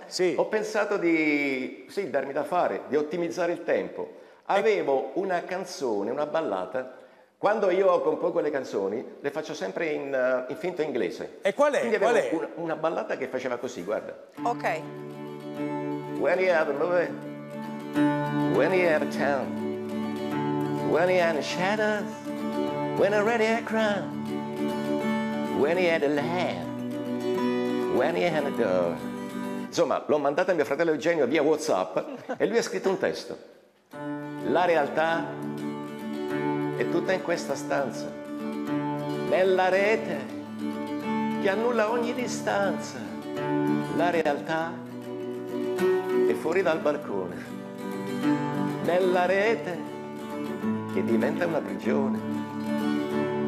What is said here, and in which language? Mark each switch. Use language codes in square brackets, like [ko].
[it] sì, ho pensato di darmi da fare, di ottimizzare il tempo. Avevo una canzone, una ballata. Quando io compongo le canzoni, le faccio sempre in finto inglese. E qual è? Quindi avevo qual è? Una ballata che faceva così, guarda. Ok. [en] When you have a movie, when you have a town, when you have a shadow, when you're ready to cry, when he had a lamb, when he had a dog. [it] Insomma, l'ho mandata a mio fratello Eugenio via WhatsApp e lui ha scritto un testo. La realtà è tutta in questa stanza, nella rete che annulla ogni distanza. La realtà è fuori dal balcone, nella rete che diventa una prigione.